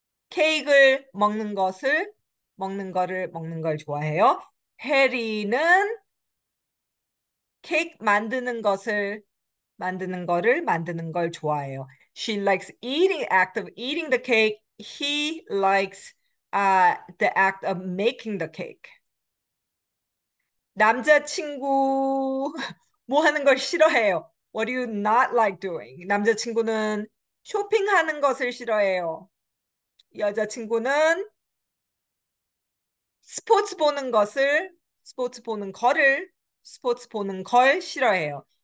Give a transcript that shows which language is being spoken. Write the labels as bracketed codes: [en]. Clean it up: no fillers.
[ko] 케이크를 먹는 걸 좋아해요. 해리는 케이크 만드는 걸 좋아해요. [en] She likes eating, act of eating the cake. He likes the act of making the cake. [ko] 남자친구 뭐 하는 걸 싫어해요? [en] What do you not like doing? [ko] 남자친구는 쇼핑하는 것을 싫어해요. 여자친구는 스포츠 보는 걸 싫어해요.